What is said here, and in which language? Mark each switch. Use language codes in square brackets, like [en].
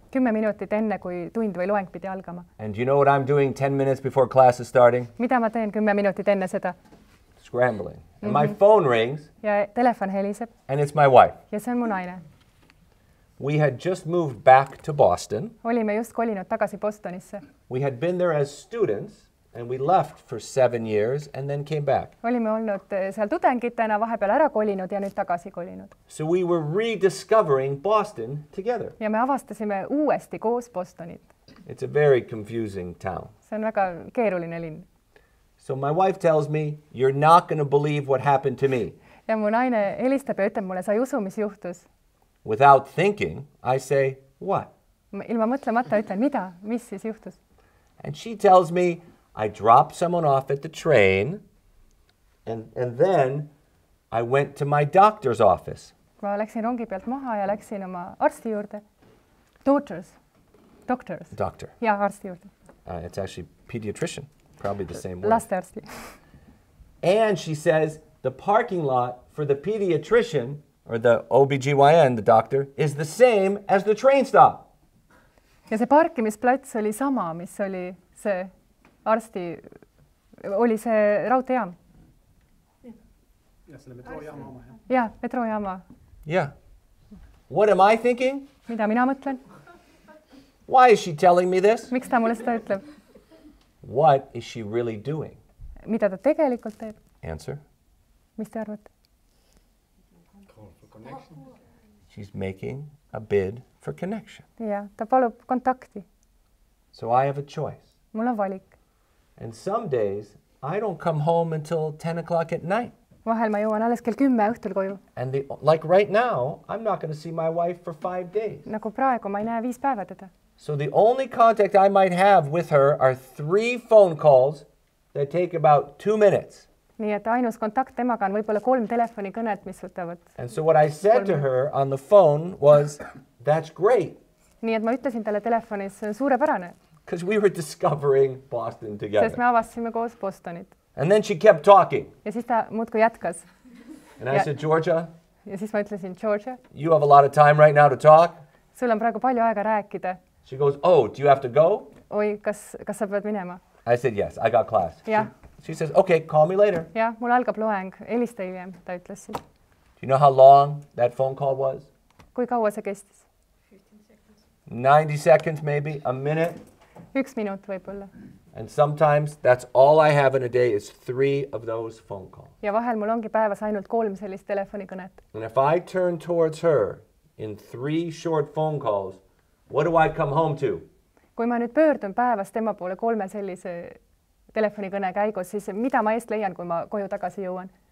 [et] 10 minutit enne, kui tund või loeng pidi algama. [en] And you know what I'm doing 10 minutes before class is starting? [et] Mida ma teen 10 minutit enne seda? [en] Scrambling. And my phone rings. [et] Ja telefon heliseb. [en] And it's my wife. [et] Ja see on mu naine. [en] We had just moved back to Boston. [et] Olime just kolinud tagasi Bostonisse. [en] We had been there as students. And we left for 7 years and then came back. [et] Olime olnud seal tudengitena vahepeal ära kolinud ja nüüd tagasi kolinud. [en] So we were rediscovering Boston together. [et] Ja me avastasime uuesti koos Bostonit. [en] It's a very confusing town. [et] See on väga keeruline linn. [en] So my wife tells me, you're not going to believe what happened to me. [et] Ja mu naine helistab ja ütleb mulle, sa ei usu, mis juhtus. [en] Without thinking, I say, what? [et] Ilma mõtlemata ütlen, mida, mis siis juhtus. [en] And she tells me, I dropped someone off at the train, and then I went to my doctor's office. [et] Ma läksin rongi pealt maha ja läksin oma arsti juurde. [en] Doctors. Doctor. [et] Ja, arsti juurde. [en] It's actually pediatrician, probably the same word. [et] Last arsti. [en] And she says, the parking lot for the pediatrician, or the OBGYN, the doctor, is the same as the train stop. [et] Ja see parkimisplats oli sama, mis oli see... Arsti, oli see raudtejaam? Ja, selle metroojaama oma. Ja, metroojaama. [en] Ja. What am I thinking? [et] Mida mina mõtlen? [en] Why is she telling me this? [et] Miks ta mulle seda ütleb? [en] What is she really doing? [et] Mida ta tegelikult teeb? [en] Answer. [et] Mis te arvate? [en] She's making a bid for connection. [et] Ja, ta palub kontakti. [en] So I have a choice. [et] Mul on valik. [en] And some days, I don't come home until 10 o'clock at night. [et] Vahel ma jõuan alles kell 10 õhtul koju. [en] And the, like right now, I'm not going to see my wife for 5 days. [et] Nagu praegu, ma ei näe 5 päeva teda. [en] So the only contact I might have with her are 3 phone calls that take about 2 minutes. [et] Nii et ainus kontakt temaga on võibolla 3 telefonikõnet, mis võtavad. [en] And so what I said to her on the phone was, that's great. [et] Nii et ma ütlesin talle telefonis, suurepärane. [en] Because we were discovering Boston together. [et] Sest me avastasime koos Bostonit. [en] And then she kept talking. [et] Ja siis ta muudku jätkas. [en] And I said, Georgia. [et] Ja siis ma ütlesin, Georgia. [en] You have a lot of time right now to talk. [et] Sul on praegu palju aega rääkida. [en] She goes, oh, do you have to go? [et] Oi, kas sa pead minema? [en] I said, yes, I got class. Yeah. She says, okay, call me later. [et] Ja, mul algab loeng. Eliste hiljem, ta ütles siis. [en] Do you know how long that phone call was? [et] Kui kaua see kestis? [en] 15 seconds. 90 seconds maybe, a minute. [et] Üks minut võib-olla. [en] And sometimes that's all I have in a day is 3 of those phone calls. [et] Ja vahel mul ongi päevas ainult 3 sellist telefonikõnet. [en] And if I turn towards her in 3 short phone calls, what do I come home to? [et] Kui ma nüüd pöördun päevas tema poole 3 sellise telefonikõne käigus, siis mida ma eest leian, kui ma koju tagasi jõuan?